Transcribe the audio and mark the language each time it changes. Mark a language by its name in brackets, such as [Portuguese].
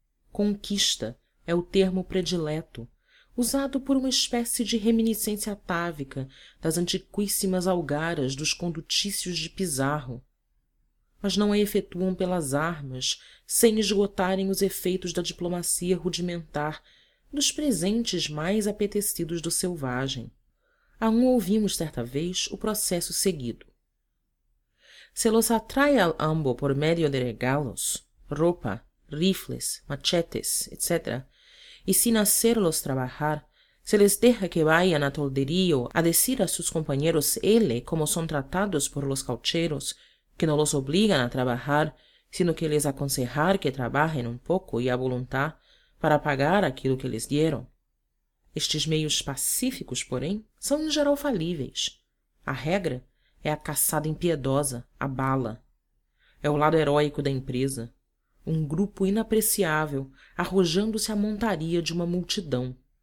[Portuguese] Conquista é o termo predileto, usado por uma espécie de reminiscência atávica das antiquíssimas algaras dos condutícios de Pizarro. Mas não a efetuam pelas armas, sem esgotarem os efeitos da diplomacia rudimentar, dos presentes mais apetecidos do selvagem. A um ouvimos certa vez o processo seguido. [Spanish] Se los atrae al ambo por medio de regalos, ropa, rifles, machetes, etc., y sin hacerlos trabajar, se les deja que vayan a tolderío a decir a sus compañeros él como son tratados por los caucheros, que no los obligan a trabajar, sino que les aconsejar que trabajen un poco y a voluntad para pagar [Portuguese] aquilo [Spanish] que les dieron. [Portuguese] Estes meios pacíficos, porém, são em geral falíveis. A regra é a caçada impiedosa, a bala. É o lado heróico da empresa. Um grupo inapreciável, arrojando-se à montaria de uma multidão.